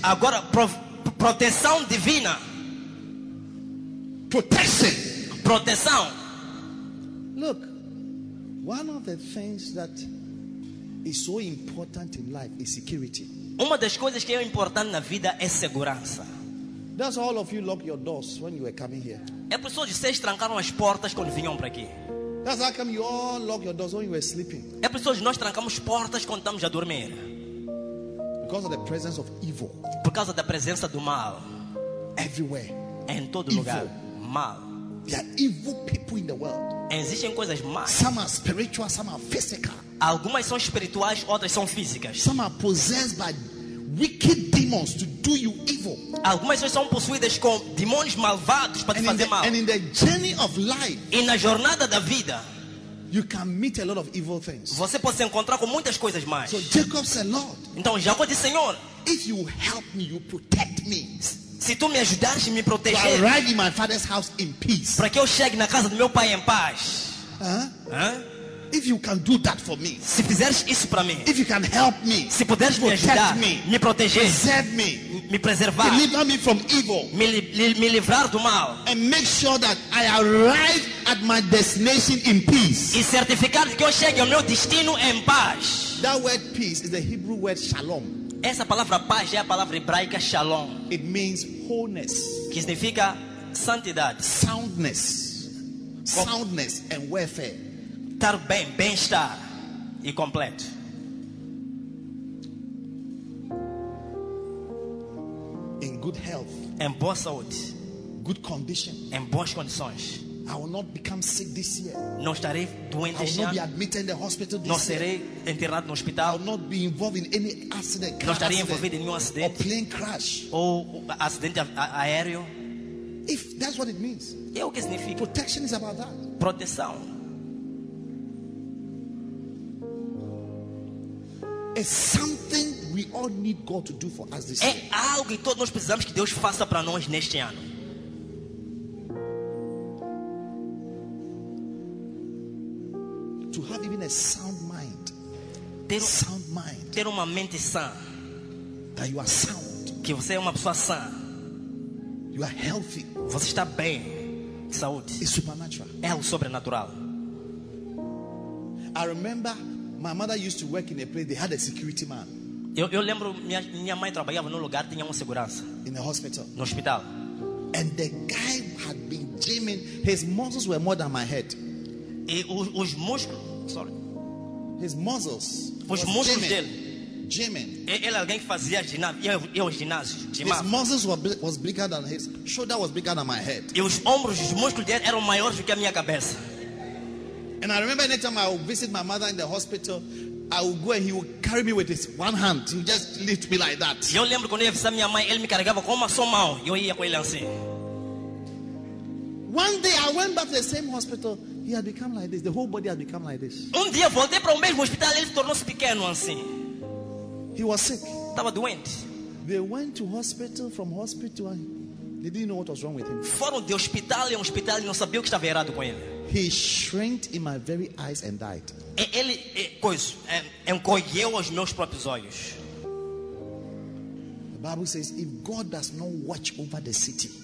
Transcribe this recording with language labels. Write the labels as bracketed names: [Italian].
[Portuguese] Agora proteção divina. [English] Protection. [Portuguese] Proteção. [English] Look, one of the things that is so important in life is security. [Portuguese] Uma das coisas que é importante na vida é segurança. [English] That's all of you locked your doors when you were coming here. [Portuguese] É por isso que vocês trancaram as portas quando vinham para aqui. [English] That's how come you all locked your doors when you were sleeping. [Portuguese] É por isso que nós trancamos portas quando estamos a dormir. [English] Because of the presence of evil. [Portuguese] Por causa da presença do mal. [English] Everywhere. [Portuguese] Em todo lugar. Mal. [English] There are evil people in the world. [Portuguese] Existem coisas más. [English] Some are spiritual, some are physical. [Portuguese] Algumas são espirituais, outras são físicas. [English] Some are possessed by wicked demons to do you evil. [Portuguese] Algumas pessoas são possuídas com demônios malvados para te fazer mal. [English] And in the journey of life, [Portuguese] e na jornada da vida, [English] you can meet a lot of evil things. [Portuguese] Você pode se encontrar com muitas coisas mais. [English] So Jacob said, Lord, [Portuguese] então Jacó disse, Senhor, [English] if you help me, you protect me. [Portuguese] Se tu me ajudares e me proteger, [English] to arrive in my father's house in peace. [Portuguese] Para que eu chegue na casa do meu pai em paz. [English] If you can do that for me, [Portuguese] se fizeres isso para mim, [English] if you can help me, [Portuguese] se puderes me ajudar, me proteger, [English] preserve me, [Portuguese] me preservar, [English] deliver me from evil, [Portuguese] me livrar do mal, [English] and make sure that I arrive at my destination in peace, [Portuguese] e certificar que eu chegue ao meu destino em paz. [English] That word peace is the Hebrew word shalom. [Portuguese] Essa palavra paz é a palavra hebraica shalom. [English] It means wholeness, [Portuguese] que significa santidade, [English] soundness and welfare. [Portuguese] Estar bem, bem-estar e completo. [English] In good health. [Portuguese] Em boa saúde. [English] Good condition. [Portuguese] Em boas condições. [English] I will not become sick this year. [Portuguese] Não estarei doente este ano. [English] I will not be admitted in the hospital this year. [Portuguese] Não serei internado no hospital. [English] I will not be involved in any accident. [Portuguese] Não estarei envolvido em nenhum acidente. [English] Or plane crash. [Portuguese] Ou acidente aéreo. [English] If that's what it means. [Portuguese] É o que significa. [English] Protection is about that. [Portuguese] Proteção. [English] It's something we all need God to do for us this year. [Portuguese] É algo que todos nós precisamos que Deus faça para nós neste ano. [English] To have even a sound mind. [Portuguese] Ter uma mente sã. [English] That you are sound. [Portuguese] Que você é uma pessoa sã. [English] You are healthy. [Portuguese] Você está bem. Saúde. [English] It's supernatural. [Portuguese] É o sobrenatural. [English] I remember my mother used to work in a place. They had a security man. [Portuguese] Eu lembro minha mãe trabalhava num lugar, tinha uma segurança. [English] In the hospital. [Portuguese] No hospital. [English] And the guy had been gymming. His muscles were more than my head. [Portuguese] E os músculos, [English] sorry. His muscles. [Portuguese] Os músculos gymming, dele. [English] Gymming. [Portuguese] Ele alguém que fazia ginásio. Eu ginásio. [English] His muscles was bigger than his shoulder was bigger than my head. [Portuguese] E os ombros, os músculos dele eram maiores do que a minha cabeça. [English] And I remember anytime I would visit my mother in the hospital, I would go and he would carry me with his one hand. He would just lift me like that. [Portuguese] Eu lembro quando eu visitava minha mãe, ele me carregava com uma só mão. Eu ia com ele assim. [English] One day I went back to the same hospital. He had become like this. The whole body had become like this. [Portuguese] Um dia voltei para o mesmo hospital, ele tornou-se pequeno assim. [English] He was sick. [Portuguese] Estava doente. [English] They went to hospital from hospital. And they didn't know what was wrong with him. [Portuguese] Foram de hospital em hospital e não sabiam o que estava errado com ele. [English] He shrank in my very eyes and died. [Portuguese] Ele encolheu os meus próprios olhos. [English] The Bible says, if God does not watch over the city,